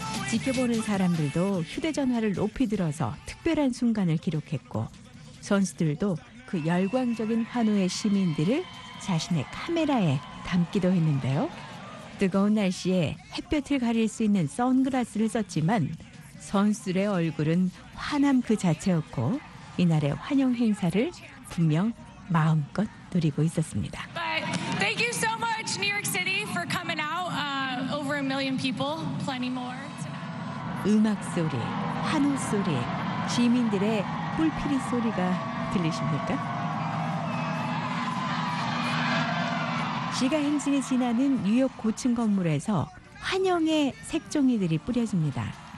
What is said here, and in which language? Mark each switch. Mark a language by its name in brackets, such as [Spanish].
[Korean] 지켜보는 사람들도 휴대전화를 높이 들어서 특별한 순간을 기록했고 선수들도 그 열광적인 환호의 시민들을 자신의 카메라에 담기도 했는데요. 뜨거운 날씨에 햇볕을 가릴 수 있는 선글라스를 썼지만 선수들의 얼굴은 환함 그 자체였고 이날의 환영 행사를 분명 마음껏 누리고 있었습니다. [English] But thank you so much, New York City, for coming out. Over a million people, plenty more. [Korean] 음악 소리, 환호 소리, 시민들의 뿔피리 소리가 들리십니까? 시가 행진이 지나는 뉴욕 고층 건물에서 환영의 색종이들이 뿌려집니다.